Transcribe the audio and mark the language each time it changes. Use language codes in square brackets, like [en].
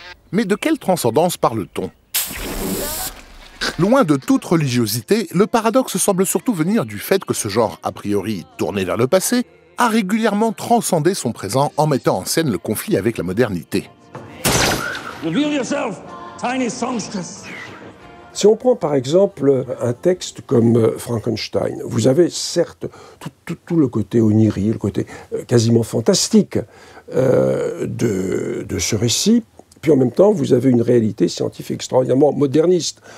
[fr] Mais de quelle transcendance parle-t-on ? Loin de toute religiosité, le paradoxe semble surtout venir du fait que ce genre, a priori tourné vers le passé, a régulièrement transcendé son présent en mettant en scène le conflit avec la modernité. [en] Reveal yourself, tiny songstress. [fr] Si on prend par exemple un texte comme Frankenstein, vous avez certes tout le côté onirique, le côté quasiment fantastique de ce récit, puis en même temps, vous avez une réalité scientifique extraordinairement moderniste.